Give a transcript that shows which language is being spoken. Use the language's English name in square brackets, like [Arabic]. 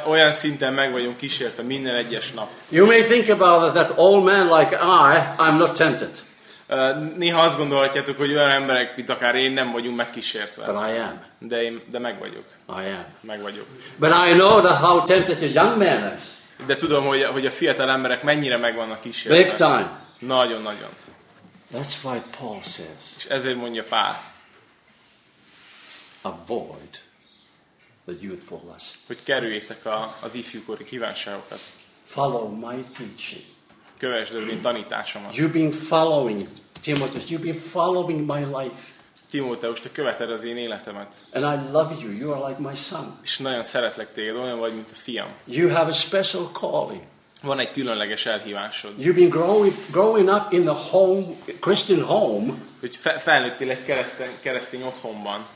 [Hungarian] Olyan szinten meg vagyunk kísérve minden egyes nap. [English] You may think about that old man like I'm not tempted. [Hungarian] Néha azt gondolhatjátok, hogy olyan emberek, mint akár én, nem vagyunk megkísértve. [English] But I am. [Hungarian] De meg vagyok. [English] I am. [Hungarian] Meg vagyok. [English] But I know that how tempted a young man is. [Hungarian] De tudom, hogy a fiatal emberek mennyire meg vannak kísértve. [English] Big time. [Hungarian] Nagyon. [English] That's why Paul says. [Hungarian] És ezért mondja Pál. [English] Avoid the youthful lust. [Hungarian] Hogy kerüljétek az ifjúkori kívánságokat. [English] Follow my teaching. [Hungarian] Kövesd az én tanításomat. [English] You've been following Timothy. You've been following my life. [Hungarian] Timóteus, te követed az én életemet. [English] And I love you. You are like my son. [Hungarian] És nagyon szeretlek téged, olyan vagy, mint a fiam. [English] You have a special calling. [Hungarian] Van egy különleges elhívásod. [English] You've been growing up in the home, Christian home. [Hungarian] Hogy felnőttél egy keresztény otthonban.